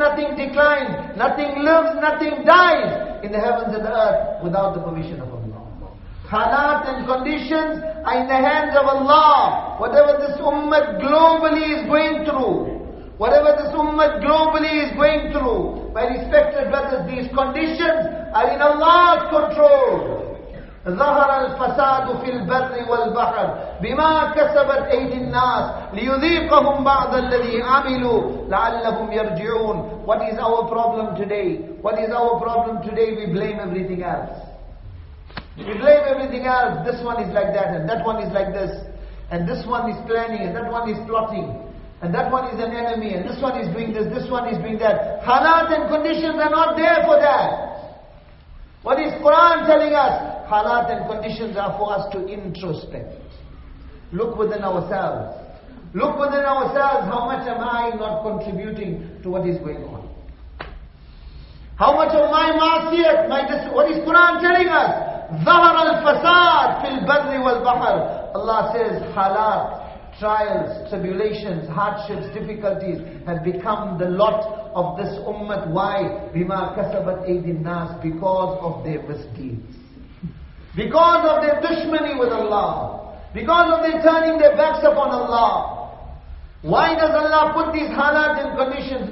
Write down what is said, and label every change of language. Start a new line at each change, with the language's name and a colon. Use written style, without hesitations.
English: Nothing declines. Nothing lives. Nothing dies in the heavens and the earth without the permission of Allah. Halat and conditions are in the hands of Allah. Whatever this ummah globally is going through, whatever this ummah globally is going through, my respected brothers, these conditions are in Allah's control.
Arabic: ظهر الفساد في البر والبحر بما كسبت أيدي الناس ليذيقهم بعض الذي عملوا لعلهم يرجعون.
English: What is our problem today? What is our problem today? We blame everything else. We blame everything else. This one is like that, and that one is like this, and this one is planning, and that one is plotting, and that one is an enemy, and this one is doing this, this one is doing that. Halat and conditions are not there for that. What is Quran telling us? Halat and conditions are for us to introspect. Look within ourselves. Look within ourselves. How much am I not contributing to what is going on? How much of my masiyat, what is Quran telling us?
Arabic: ظهر الفساد في البر والبحر.
English: Allah says, halat, trials, tribulations, hardships, difficulties have become the lot of this ummah. Why?
Arabic: بما كسبت أيدي الناس.
English: Because of their misdeeds. Because of their dushmani with Allah. Because of their turning their backs upon Allah. Why does Allah put these halat in conditions?